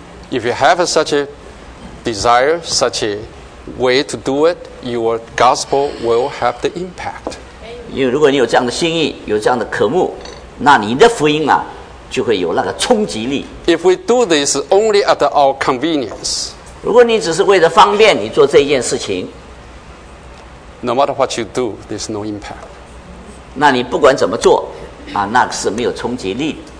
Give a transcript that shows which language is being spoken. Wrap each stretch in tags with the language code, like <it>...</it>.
<en>If you have such a desire, such a way to do it, your gospel will have the impact.</en> <zh>因为如果你有这样的心意，有这样的渴慕，那你的福音啊。就会有那个冲击力。</zh> <en>If we do this only at our convenience,</en> <zh>如果你只是为了方便你做这件事情</zh> <en>，No matter what you do, there's no impact.</en> <zh>那你不管怎么做，啊，那是没有冲击力。</zh>